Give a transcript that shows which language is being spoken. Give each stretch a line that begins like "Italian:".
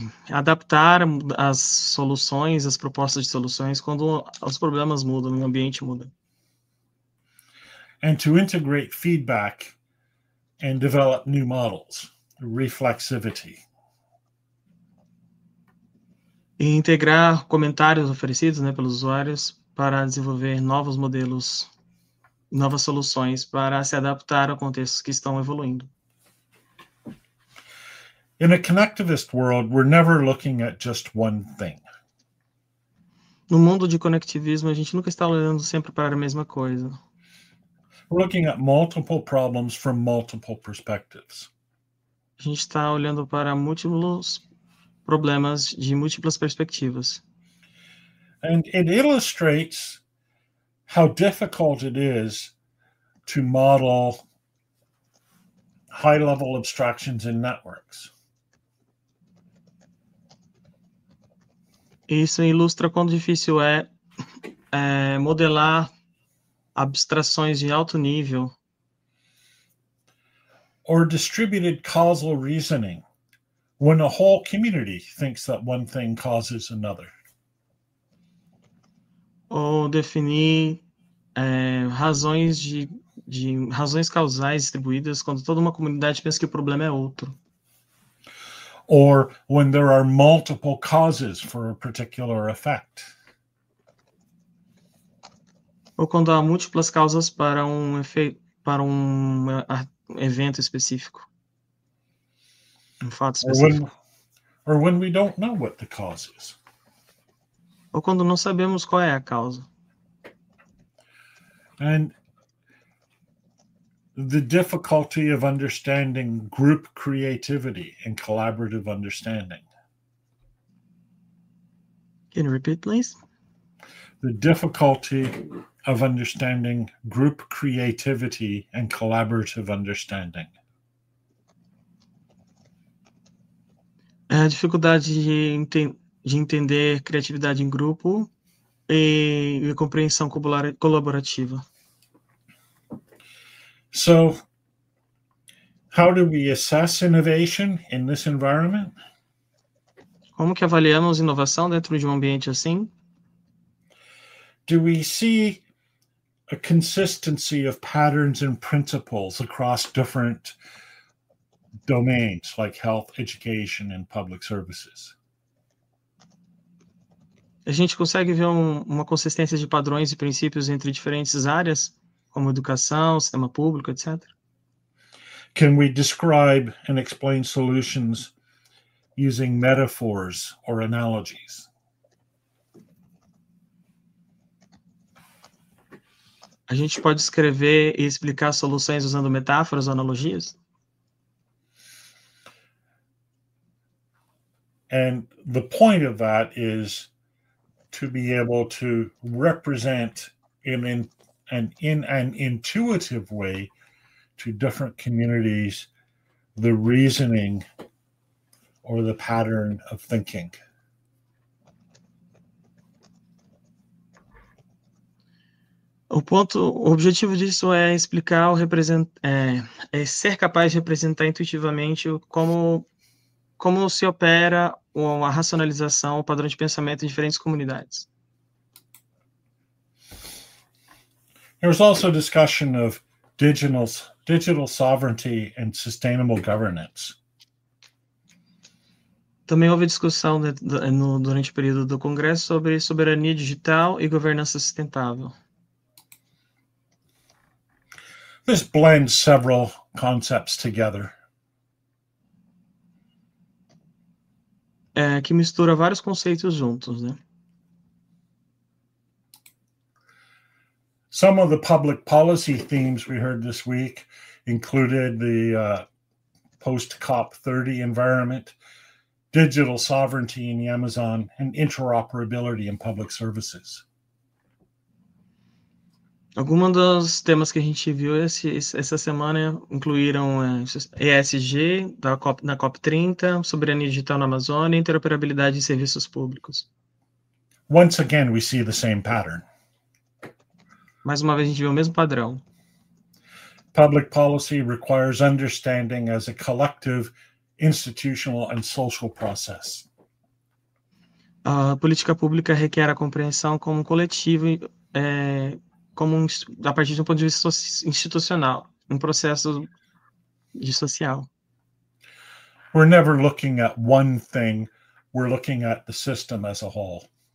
Portuguese: Adaptar as soluções, as propostas de soluções, quando os problemas mudam, o ambiente muda.
English: And to integrate feedback and develop new models, reflexivity.
Portuguese: E integrar comentários oferecidos, né, pelos usuários para desenvolver novos modelos, novas soluções para se adaptar ao contexto que estão evoluindo.
English: In a connectivist world, we're never looking at just one thing.
Portuguese: No mundo de conectivismo, a gente nunca está olhando sempre para a mesma coisa.
English: We're looking at multiple problems from multiple perspectives.
Portuguese: A gente está olhando para múltiplos problemas de múltiplas perspectivas.
English: And it illustrates how difficult it is to model high-level abstractions in networks.
Portuguese: Isso ilustra quão difícil é modelar abstrações de alto nível.
English: Or distributed causal reasoning, when a whole community thinks that one thing causes another.
Portuguese: Ou definir razões de razões causais distribuídas quando toda uma comunidade pensa que o problema é outro.
English: Or when there are multiple causes for a particular effect.
Portuguese: Ou quando há múltiplas causas para um efeito, para um evento específico. Um fato específico.
English: Or when we don't know what the cause is.
Portuguese: Ou quando não sabemos qual é a causa.
English: And the difficulty of understanding group creativity and collaborative understanding. Can you repeat, please? The difficulty of understanding group creativity and collaborative understanding.
Portuguese: A dificuldade de entender criatividade em grupo e compreensão colaborativa.
English: So, how do we assess innovation in this environment?
Portuguese: Como que avaliamos inovação dentro de um ambiente assim?
English: Do we see a consistency of patterns and principles across different domains, like health, education, and public services?
Portuguese: A gente consegue ver uma consistência de padrões e princípios entre diferentes áreas? Como educação, sistema público, etc.
English: Can we describe and explain solutions using metaphors or analogies?
Portuguese: A gente pode escrever e explicar soluções usando metáforas ou analogias?
English: And the point of that is to be able to represent and in an intuitive way to different communities, the reasoning or the pattern of thinking.
Portuguese: O objetivo disso é explicar ou representar, é ser capaz de representar intuitivamente como se opera a racionalização, o padrão de pensamento em diferentes comunidades.
English: There's also discussion of digital sovereignty and sustainable governance.
Portuguese: Também houve discussão durante o período do Congresso sobre soberania digital e governança sustentável.
English: This blends several concepts together.
Portuguese: É que mistura vários conceitos juntos, né?
English: Some of the public policy themes we heard this week included the post-COP30 environment, digital sovereignty in the Amazon, and interoperability in public services.
Portuguese: Alguns dos temas que a gente viu essa semana incluíram ESG na COP30, soberania digital na Amazônia e interoperabilidade em serviços públicos.
English: Once again, we see the same pattern.
Portuguese: Mais uma vez, a gente vê o mesmo padrão.
English: Public policy requires understanding as a collective, institutional and social process.
Portuguese: A política pública requer a compreensão como coletivo, a partir de um ponto de vista institucional, um processo de social.
English: We're never looking at one thing, we're looking at the system as a whole.